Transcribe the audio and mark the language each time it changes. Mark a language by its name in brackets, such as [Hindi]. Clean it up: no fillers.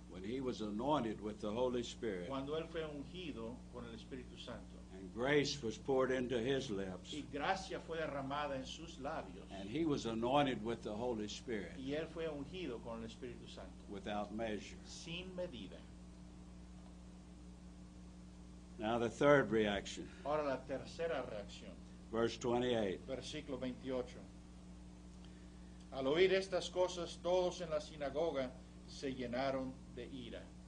[English] When he was anointed with the Holy Spirit. [Spanish] Cuando él fue ungido con el Espíritu Santo. [English] And grace was poured into his lips. [Spanish] Y gracia fue derramada en sus labios. [English] And he was anointed with the Holy Spirit. [Spanish] Y él fue ungido con el Espíritu Santo. [English] Without measure. [Spanish] Sin medida. [English] Now the third reaction. [Spanish] Ahora la tercera reacción. [English] Verse 28. [Spanish] Versículo 28. Al oír estas cosas, todos en la sinagoga se llenaron de ira.